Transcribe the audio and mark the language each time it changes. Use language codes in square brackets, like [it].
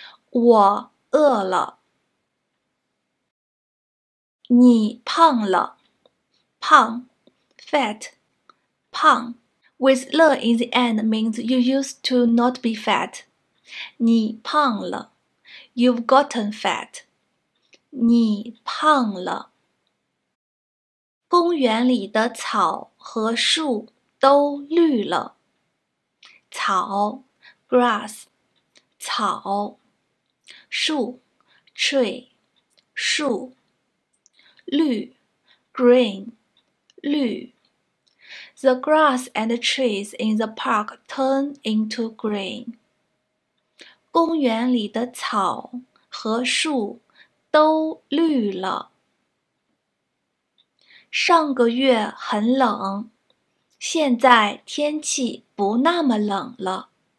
[zh] 我饿了你胖了胖 [en] fat 胖 with 了 in the end means you used to not be fat. [zh] 你胖了 [en] You've gotten fat. [zh] 你胖了公园里的草和树都绿了。 [en] 草 grass, 草树 tree, 树绿 green, 绿 The grass and the trees in the park turn into green. [zh] 公园里的草和树都绿了。上个月很冷，现在天气不那么冷了。